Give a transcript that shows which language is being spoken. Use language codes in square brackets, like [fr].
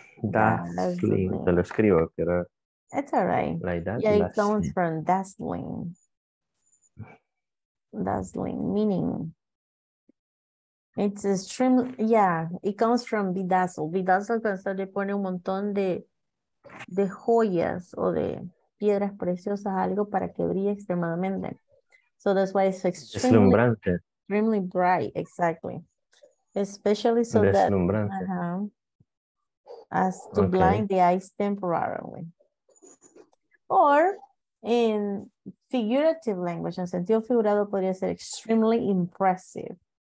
[es] Dazzling. Te lo escribo, pero. [en] It's all right. Like that. Yeah, it comes from dazzling. Dazzling, meaning it's extremely, yeah, it comes from bedazzle. [es] Bedazzle, cuando se le pone un montón de joyas o de piedras preciosas, algo para que brille extremadamente. [en] So that's why it's extremely bright, exactly. Especially so that, as to blind the eyes temporarily. Or in figurative language, [es] en sentido figurado, podría ser [en] extremely impressive.